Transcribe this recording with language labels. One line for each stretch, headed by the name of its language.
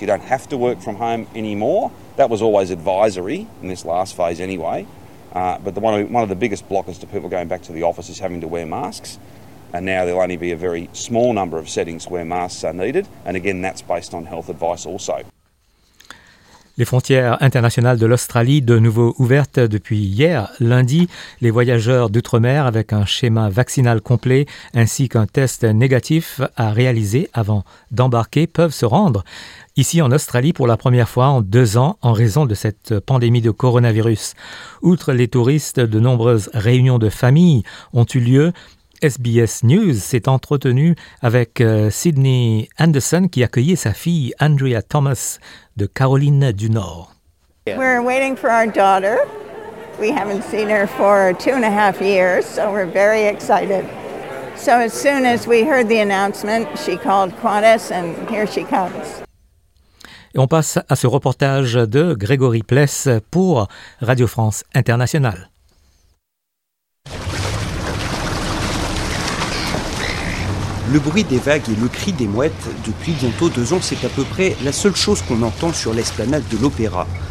English: You don't have to work from home anymore. That was always advisory in this last phase anyway. But one of the biggest blockers to people going back to the office is having to wear masks. And now there'll only be a very small number of settings where masks are needed. And again, that's based on health advice also.
French: Les frontières internationales de l'Australie de nouveau ouvertes depuis hier, lundi. Les voyageurs d'outre-mer avec un schéma vaccinal complet ainsi qu'un test négatif à réaliser avant d'embarquer peuvent se rendre ici en Australie pour la première fois en 2 ans en raison de cette pandémie de coronavirus. Outre les touristes, de nombreuses réunions de famille ont eu lieu. SBS News s'est entretenu avec Sydney Anderson qui accueillait sa fille Andrea Thomas de Caroline du Nord.
English: We're waiting for our daughter. We haven't seen her for 2.5 years, so we're very excited. So as soon as we heard the announcement, she called Qantas and here she comes.
French: Et on passe à ce reportage de Grégory Pless pour Radio France Internationale. Le bruit des vagues et le cri des mouettes, depuis bientôt 2 ans, c'est à peu près la seule chose qu'on entend sur l'esplanade de l'Opéra.